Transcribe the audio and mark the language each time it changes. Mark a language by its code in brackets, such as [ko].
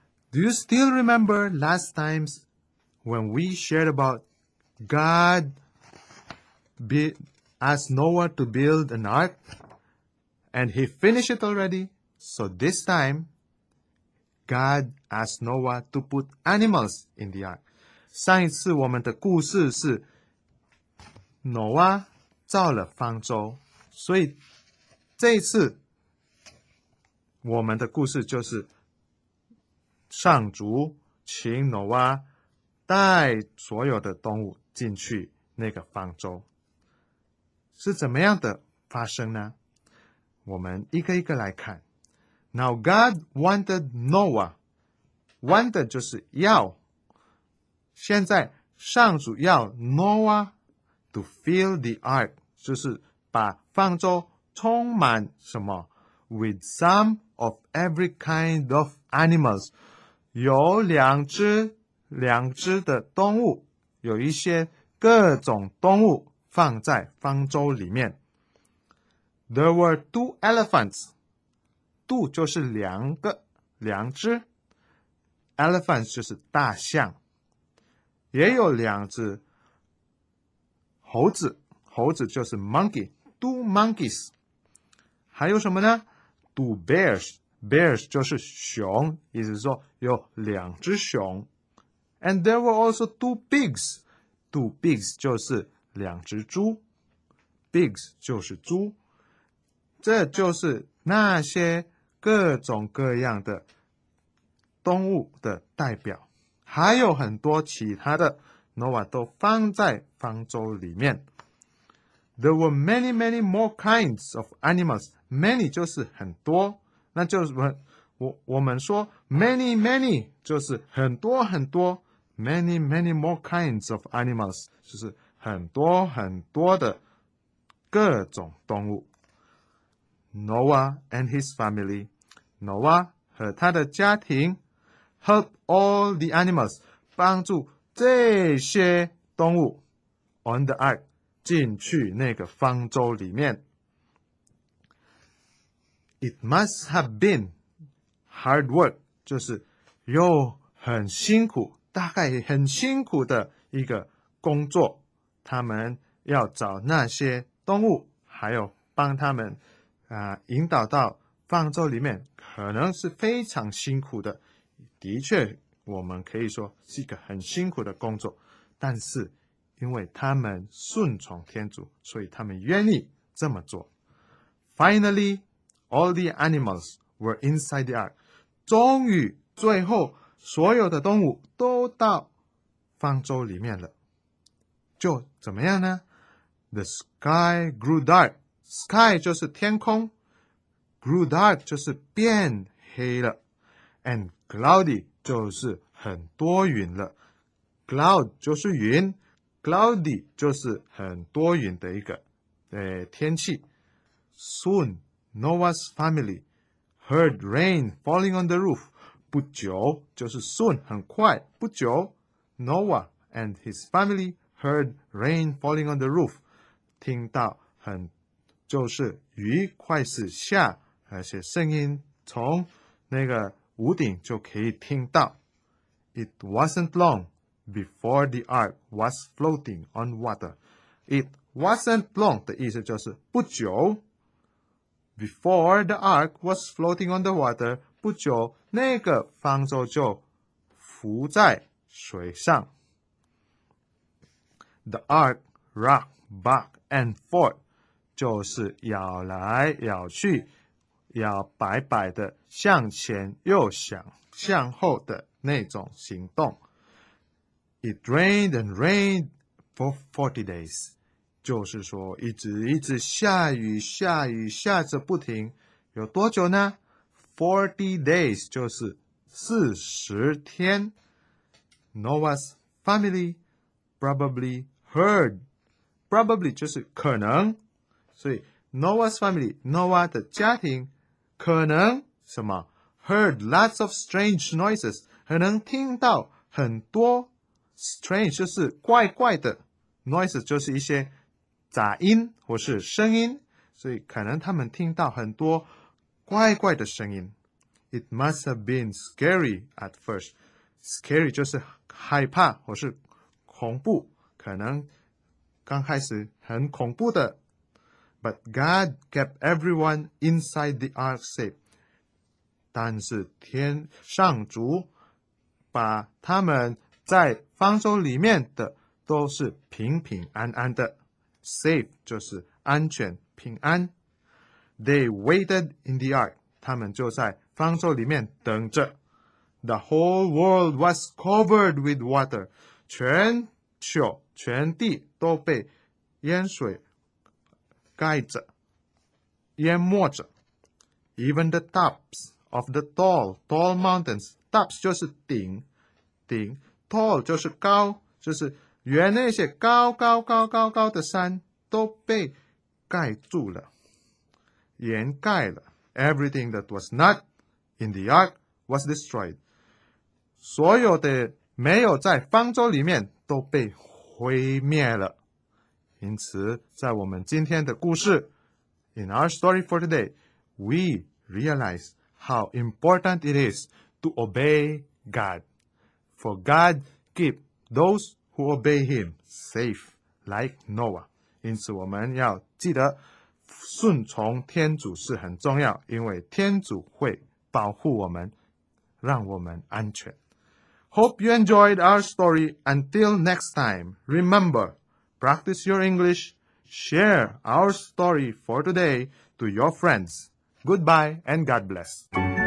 [en] Do you still remember last times when we shared about God asked Noah to build an ark and he finished it already? So this time, God asked Noah to put animals in the ark. [zh] 上一次我们的故事是 Noah 造了方舟，所以这一次我们的故事就是上主请挪娃带所有的动物进去那个方舟。是怎么样的发生呢？我们一个一个来看。 [en] Now God wanted Noah. Wanted [zh] 就是要。现在上主要 [en] Noah to fill the ark, [zh] 就是把方舟充满什么 [en] ?with some of every kind of animals. [zh] 有两只的动物，有一些各种动物放在方舟里面。 [en] There were 2 elephants. 2 [zh] 就是两只。 Elephants 就是大象。也有两只猴子，猴子就是 monkey, [en] 2 monkeys. [zh] 还有什么呢？ [en] 2 bears. [zh] Bears 就是熊，意思说有两只熊。 [en] And there were also 2 pigs. 2 pigs [zh] 就是两只猪。Pigs 就是猪。这就是那些各种各样的动物的代表。还有很多其他的 Noah 都放在方舟里面。 [en] There were many, many more kinds of animals. [zh] Many 就是很多。那就是我们说 [en] many, many, 就是很多很多 many, many more kinds of animals, [zh] 就是很多很多的各种动物。 [en] Noah and his family, Noah [zh] 和他的家庭 [en] help all the animals, [zh] 帮助这些动物 [en] on the ark, [zh] 进去那个方舟里面。 [en] It must have been hard work, [zh] 就是又很辛苦，大概很辛苦的一个工作。他们要找那些动物，还有帮他们引导到方舟里面，可能是非常辛苦的。的确，我们可以说是一个很辛苦的工作，但是因为他们顺从天主，所以他们愿意这么做。 [en] Finally, all the animals were inside the ark. [zh] 终于，最后，所有的动物都到方舟里面了。就怎么样呢？ [en] The sky grew dark. [zh] Sky 就是天空， [en] grew dark [zh] 就是变黑了， [en] and cloudy [zh] 就是很多云了。 cloud 就是云，Cloudy 就是很多云的一个天气。 [en] Soon, Noah's family heard rain falling on the roof. [zh] 不久，就是 [en] soon, [zh] 很快，不久， [en] Noah and his family heard rain falling on the roof. [zh] 听到很，就是雨快始下，而且声音从那个屋顶就可以听到。 [en] It wasn't long. Before the ark was floating on water. It wasn't long [zh] 的意思就是不久。 [en] Before the ark was floating on the water, [zh] 不久那个方舟就浮在水上。 [en] The ark rocked back and forth, [zh] 就是摇来摇去，摇摆摆的向前又向后的那种行动。 [en] It rained and rained for 40 days. [zh] 就是说一直一直下雨下雨下着不停。有多久呢？ [en] 40 days [zh] 就是40天。 [en] Noah's family probably heard. [zh] Probably 就是可能。所以 [en] Noah's family, [zh] Noah 的家庭可能什么？ [en] Heard lots of strange noises. [zh] 可能听到很多Strange 就是怪怪的， noise 就是一些杂音或是声音，所以可能他们听到很多怪怪的声音。 [en] It must have been scary at first. [zh] Scary 就是害怕或是恐怖，可能刚开始很恐怖的。 [en] But God kept everyone inside the ark safe. [zh] 但是天上主把他们在方舟里面的都是平平安安的。 Safe 就是安全平安。 [en] They waited in the ark. [zh] 他们就在方舟里面等着。 [en] The whole world was covered with water. [zh] 全球全地都被淹水盖着，淹没着。 [en] Even the tops of the tall mountains. [zh] Tops 就是顶，Tall 就是高，就是原那些高的山都被盖住了，掩盖了。 [en] Everything that was not in the ark was destroyed. [zh] 所有的没有在方舟里面都被毁灭了。因此，在我们今天的故事 [en] ，in our story for today, we realize how important it is to obey God. For God. Keep those who obey him safe, like Noah. [zh] 因此我们要记得顺从天主是很重要，因为天主会保护我们，让我们安全。 [en] Hope you enjoyed our story. Until next time, remember, practice your English. Share our story for today to your friends. Goodbye and God bless.